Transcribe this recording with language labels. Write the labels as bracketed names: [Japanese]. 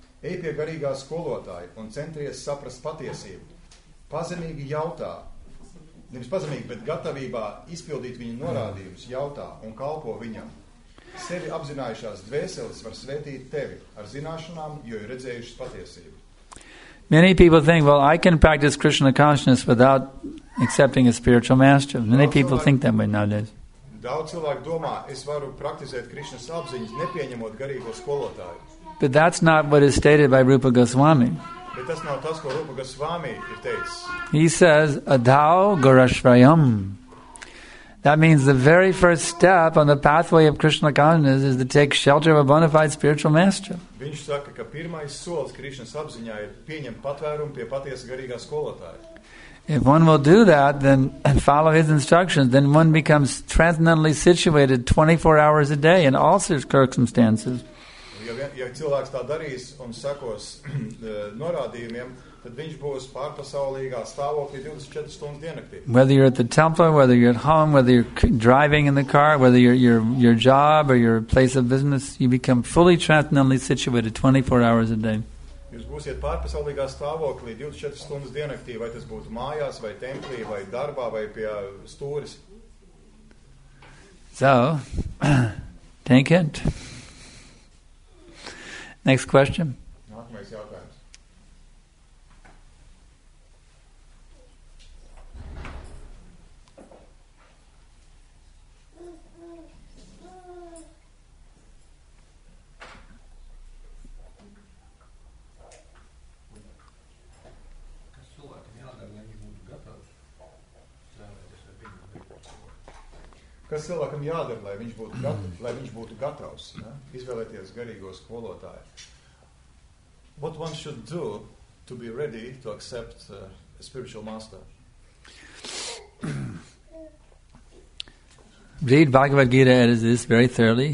[Latvian] Ej pie garīgā skolotāja un centries saprast patiesību. Pazemīgi jautā. Nevis pazemīgi, bet gatavībā izpildīt viņa norādījumus, jautā un kalpo viņam. Sevi apzinājušās dvēseles var svētīt tevi ar zināšanām, jo ir redzējušas patiesību. [English] Many people think, well, I can practice Krishna consciousness without accepting a spiritual master. Many people think that way nowadays. [Latvian] Daudz cilvēku domā, es varu praktizēt Krišnas apziņas, nepieņemot garīgo skolotāju. [English] But that's not what is stated by Rupa Goswami. [Latvian] Bet tas nav tas, ko Rupa Goswami ir teicis. [English] He says, adhau garashvayam. That means the very first step on the pathway of Krishna consciousness is to take shelter of a bona fide spiritual master. [Latvian] Viņš saka, ka pirmais solis Krišnas apziņā ir pieņemt patvērumu pie patiesa garīgā skolotāja. [English] If one will do that, then and follow his instructions, then one becomes transcendentally situated 24 hours a day in all circumstances. [Latvian] Ja cilvēks tā darīs un sakos norādījumiem, tad viņš būs pārpasaulīgā stāvoklī 24 stundas diennaktī. [English] Whether you're at the temple, whether you're at home, whether you're driving in the car, whether your job or your place of business, you become fully transcendentally situated 24 hours a day. [Latvian] Jūs būsiet pārpasaulīgā stāvoklī 24 stundas diennaktī, vai tas būtu mājās, vai templī, vai darbā, vai pie stūris. [English] So, thank you. Next question. [Latvian] Nākamais jautājums. Kas cilvēkam jādara, lai viņš būtu gatavs, izvēlēties garīgo skolotāju? [English] What one should do to be ready to accept a spiritual master? Read Bhagavad Gita as this very thoroughly.